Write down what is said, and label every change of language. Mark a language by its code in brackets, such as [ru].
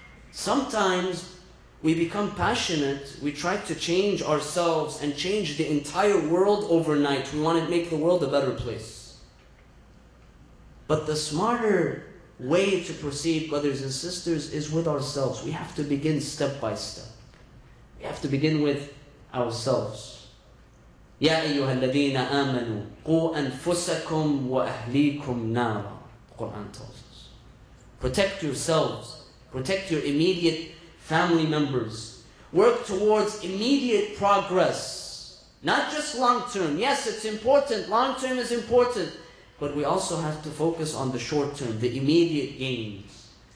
[en] Sometimes we become passionate, we try to change ourselves and change the entire world overnight. We want to make the world a better place. But the smarter way to proceed, brothers and sisters, is with ourselves. We have to begin step by step. We have to begin with ourselves. [ar] يَا أَيُّهَا الَّذِينَ آمَنُوا قُوا أَنفُسَكُمْ وَأَهْلِيكُمْ نَارًا [en] Quran tells us. Protect yourselves. Protect your immediate family members. Work towards immediate progress. Not just long term. Yes, it's important. Long term is important. But we also have to focus on the short term, the immediate gains.